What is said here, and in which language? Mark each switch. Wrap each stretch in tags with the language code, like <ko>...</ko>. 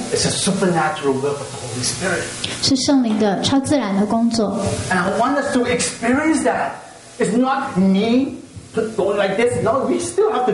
<en>It's a supernatural work of the Holy Spirit</en> <zh>是圣灵的超自然的工作</zh> <en>And I want us to experience that It's not me going like this No, we still have to go</en>